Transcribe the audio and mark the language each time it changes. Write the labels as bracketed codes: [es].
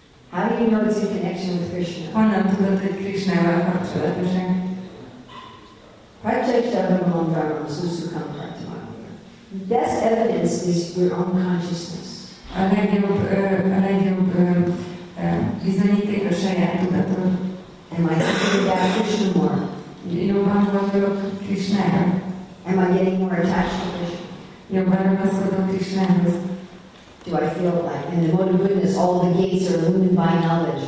[en] How do you know it's in connection with Krishna? [hu] Honnan tudod, hogy Krishnával kapcsolatosan? [sa] Prajjaksha Bhagavandharam Susukam Pratimam. [en] Best evidence is your own consciousness. [hu] A legjobb bizonyíték a saját tudatod. [en] Am I thinking about Krishna more? [hu] Jobban gondolok Krishnára. [en] Am I getting more attached to Krishna? [hu] Jobban ragaszkodok Krishnához. [en] Do I feel like, in the mode of goodness, all the gates are illumined by knowledge?